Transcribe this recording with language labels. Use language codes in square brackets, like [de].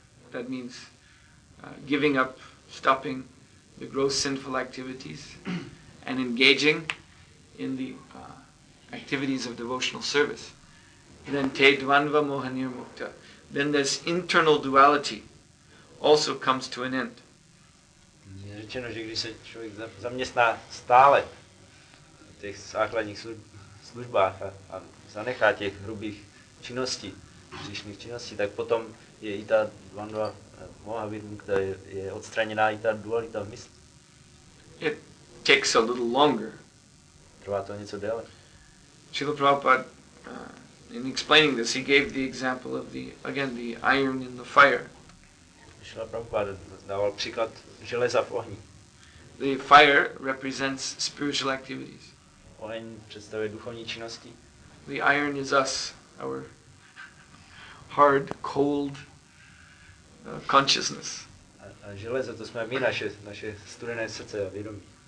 [en] That means giving up, stopping the gross sinful activities and engaging in the activities of devotional service. And then [sa] te dvandva moha nirmukta. [en] Then this internal duality also comes to an end. [cs] Je řečeno, že když se člověk zaměstná stále v těch základních službách a zanechá těch hrubých činností, hříšných činností, tak potom je i ta dvandva moha nirmukta, je odstraněná i ta dualita v mysli. [en] It takes a little longer. [cs] Trvá to něco déle. [en] Srila Prabhupada, in explaining this, he gave the example of the iron in the fire. [cs] Srila Prabhupada dával příklad železa v ohni. [en] The fire represents spiritual activities. [cs] Oheň představuje duchovní činnosti. [en] The iron is us, our hard, cold consciousness. [cs] A železo, to jsme my, naše studené srdce a vědomí.